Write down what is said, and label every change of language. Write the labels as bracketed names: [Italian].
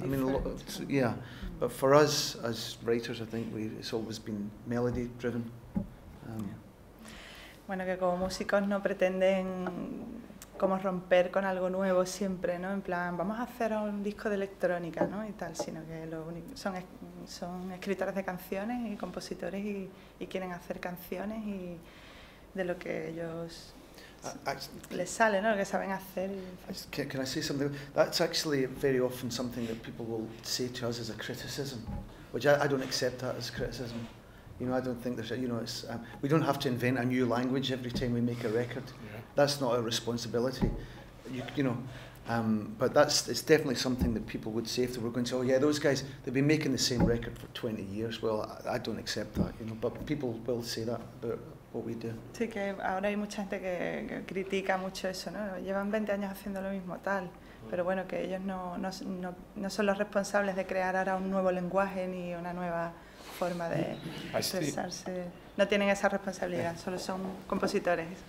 [English] I mean, a lot of, but for us as writers, I think it's always been melody driven. [Spanish] Bueno, que como músicos no pretenden como romper con algo nuevo siempre, ¿no? En plan, vamos a hacer un disco de electrónica, ¿no? Y tal, sino que lo único, son escritores de canciones y compositores y quieren hacer canciones y de lo que ellos les sale, ¿no? Lo que saben hacer. [English] Can I say something? That's actually very often something that people will say to us as a criticism, which I don't accept that as criticism. You know, I don't think there's, we don't have to invent a new language every time we make a record. Yeah. That's not our responsibility, but it's definitely something that people would say if they were going to, oh yeah, those guys, they've been making the same record for 20 years. Well, I don't accept that, you know, but people will say that about what we do. [Spanish] Sí, que ahora hay mucha gente que critica mucho eso, ¿no? Llevan 20 años haciendo lo mismo, tal. Pero bueno, que ellos no son los responsables de crear ahora un nuevo lenguaje ni una nueva forma de expresarse. No tienen esa responsabilidad, solo son compositores.